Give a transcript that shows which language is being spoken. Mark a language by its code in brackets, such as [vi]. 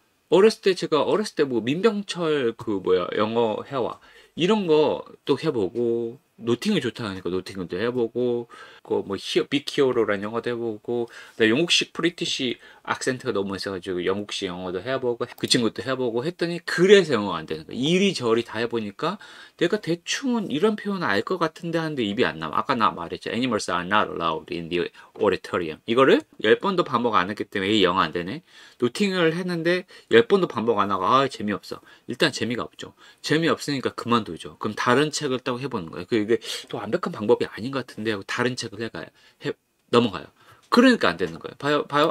[ko] 어렸을 때 제가 어렸을 때 뭐 민병철 그 뭐야 영어 회화 이런 거또 해보고 노팅이 좋다 하니까 노팅도 해보고 그 뭐 히어 비키오로라는 영어도 해보고 영국식 프리티시 악센트가 너무 있어가지고 영국식 영어도 해보고 그 친구도 해보고 했더니 그래서 영어가 안 되는 거야. 이리저리 다 해보니까 내가 대충은 이런 표현 알 것 같은데 하는데 입이 안 나와. 아까 나 말했죠. [en] Animals are not allowed in the auditorium. [ko] 이거를 10번도 반복 안 했기 때문에 이 영어 안 되네. 노팅을 했는데 10번도 반복 안 하고 아 재미없어. 일단 재미가 없죠. 재미없으니까 그만두죠. 그럼 다른 책을 따고 해보는 거예요. 그게 또 완벽한 방법이 아닌 것 같은데 하고 다른 책을 해가요. 넘어가요. 그러니까 안 되는 거예요. 봐요, 봐요.